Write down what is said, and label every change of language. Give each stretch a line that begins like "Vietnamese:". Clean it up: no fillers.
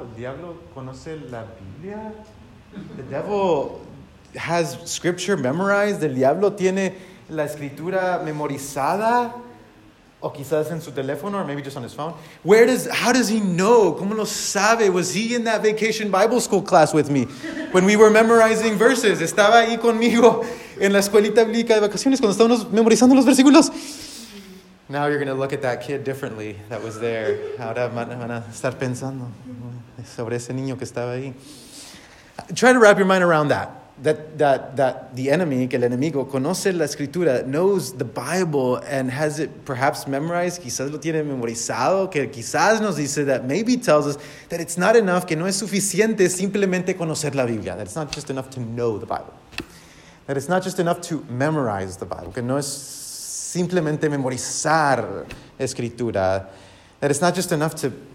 Spanish: El diablo conoce la Biblia?
English: The devil has scripture memorized?
Spanish: El diablo tiene la escritura memorizada? O quizás en su teléfono,
English: or maybe just on his phone. How does he know?
Spanish: ¿Cómo lo sabe?
English: Was he in that vacation Bible school class with me when we were memorizing verses?
Spanish: ¿Estaba ahí conmigo en la escuelita bíblica de vacaciones cuando estábamos memorizando los versículos?
English: Now you're going to look at that kid differently that was there.
Spanish: Ahora van a estar pensando sobre ese niño que estaba ahí.
English: Try to wrap your mind around that. That the enemy,
Spanish: que el enemigo, conoce la escritura,
English: knows the Bible, and has it perhaps memorized,
Spanish: quizás lo tiene memorizado, que quizás nos dice,
English: that maybe tells us that it's not enough,
Spanish: que no es suficiente simplemente conocer la Biblia,
English: that it's not just enough to know the Bible, that it's not just enough to memorize the Bible,
Spanish: que no es simplemente memorizar escritura,
English: that it's not just enough to